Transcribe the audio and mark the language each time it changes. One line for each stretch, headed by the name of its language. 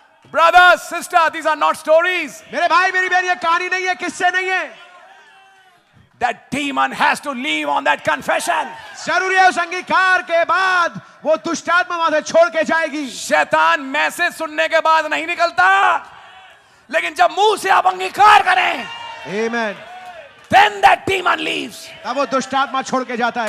English: Brothers, sister, these are not stories.
Hindi: मेरे भाई मेरी बहन, ये कहानी नहीं है, किससे नहीं है.
English: That demon has to leave on that confession.
Hindi: जरूरी है उस अंगीकार के बाद वो दुष्टात्मा वहां से छोड़ के जाएगी. शैतान मैसेज सुनने के बाद नहीं निकलता, लेकिन जब मुंह से आप अंगीकार करें.
English: Amen. Then that demon leaves.
Hindi: तब वो दुष्टात्मा छोड़ के जाता है.